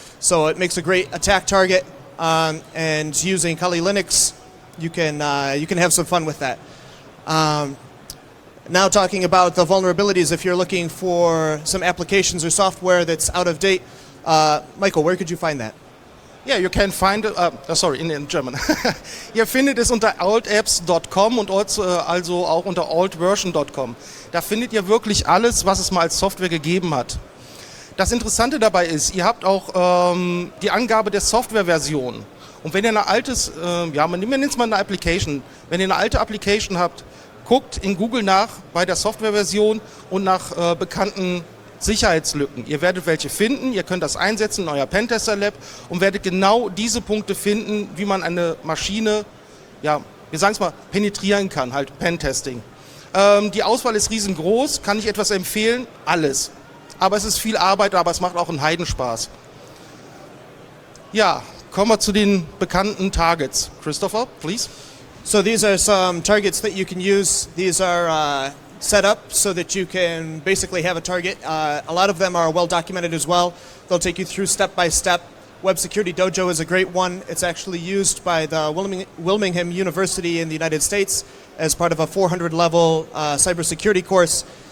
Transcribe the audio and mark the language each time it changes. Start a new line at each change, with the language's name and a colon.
English: So it makes a great attack target, and using Kali Linux, you can have some fun with that. Now talking about the vulnerabilities, if you're looking for some applications or software that's out of date, Michael, where could you find that? Yeah, you can find it, in German.
German: Ihr findet es unter altapps.com und also auch unter altversion.com. Da findet ihr wirklich alles, was es mal als Software gegeben hat. Das Interessante dabei ist, ihr habt auch die Angabe der Softwareversion. Und wenn ihr eine altes, ja, man nimmt jetzt mal eine Application. Wenn ihr eine alte Application habt, guckt in Google nach bei der Softwareversion und nach bekannten Sicherheitslücken. Ihr werdet welche finden, ihr könnt das einsetzen in euer Pentester Lab und werdet genau diese Punkte finden, wie man eine Maschine, ja, wir sagen es mal, penetrieren kann, halt Pentesting. Die Auswahl ist riesengroß, kann ich etwas empfehlen? Alles. Aber es ist viel Arbeit, aber es macht auch einen Heidenspaß. Ja, kommen wir zu den bekannten Targets.
English: Christopher, please. So these are some targets that you can use. These are set up so that you can basically have a target. A lot of them are well documented as well. They'll take you through step by step. Web Security Dojo is a great one. It's actually used by the Wilmingham University in the United States as part of a 400-level cybersecurity course.